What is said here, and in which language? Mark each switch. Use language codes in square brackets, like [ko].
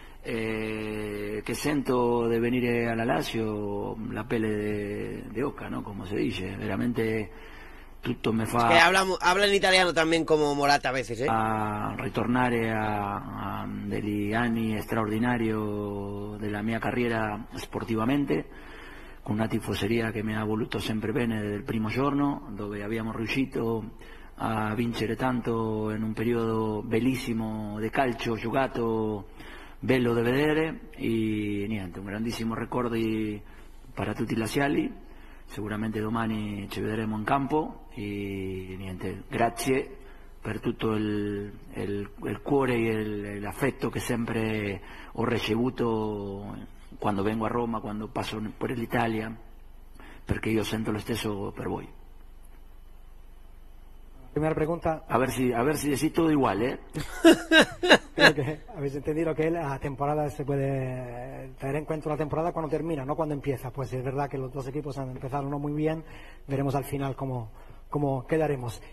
[it] Che sento di venire alla Lazio? La pelle di oca, no? Come si dice, veramente tutto mi fa... [es] Habla in italiano también come Morata a veces, [it] A ritornare a degli anni straordinari della mia carriera sportivamente, con una tifoseria che mi ha voluto sempre bene dal primo giorno, dove abbiamo riuscito a vincere tanto in un periodo bellissimo di calcio giocato, bello da vedere, e niente, un grandissimo ricordo per tutti i laziali. Sicuramente domani ci vedremo in campo, e niente, grazie per tutto il cuore e l'affetto che sempre ho ricevuto quando vengo a Roma, quando passo per l'Italia, perché io sento lo stesso per voi. Prima domanda. [es] A ver si decís todo igual, Habéis entendido que la temporada se puede tener en cuenta, la temporada cuando termina, no cuando empieza. Pues es verdad que los dos equipos han empezado no muy bien, veremos al final cómo quedaremos.